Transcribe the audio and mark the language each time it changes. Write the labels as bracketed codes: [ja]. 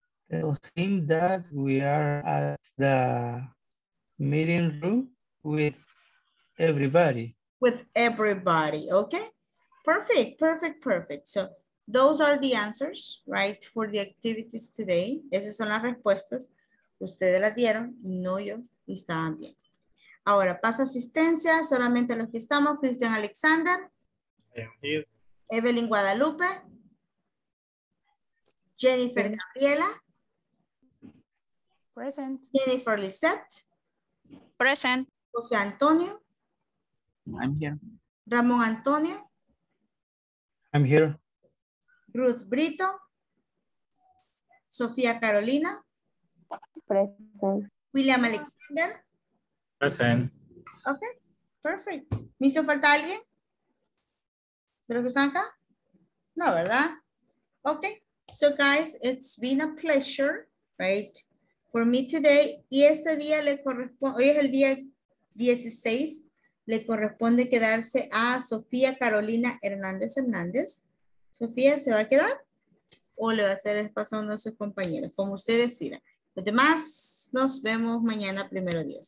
[en] Tell him that we are at the meeting room with everybody. With everybody, okay? Perfect, perfect, perfect. So those are the answers, right, for the activities today. [es] Esas son las respuestas. Ustedes las dieron, no yo, y estaban bien. Ahora, paso asistencia, solamente los que estamos. Christian Alexander. Evelyn Guadalupe. Jennifer Gabriela. [en] Present. [es] Jennifer Lisette. [en] Present. [es] José Antonio. [en] I'm here. [es] Ramón Antonio. [en] I'm here. [es] Ruth Brito. Sofía Carolina. [en] Present. [es] William Alexander. [en] Present. Okay, perfect. [es] ¿Me hizo falta alguien? ¿De los que están acá? No, ¿verdad? [en] Okay, so guys, it's been a pleasure, right? For me today, [es] y este día le corresponde, hoy es el día 16, le corresponde quedarse a Sofía Carolina Hernández Hernández. ¿Sofía se va a quedar? ¿O le va a hacer espacio a uno de sus compañeros? Como usted decida. Los demás, nos vemos mañana, primero Dios.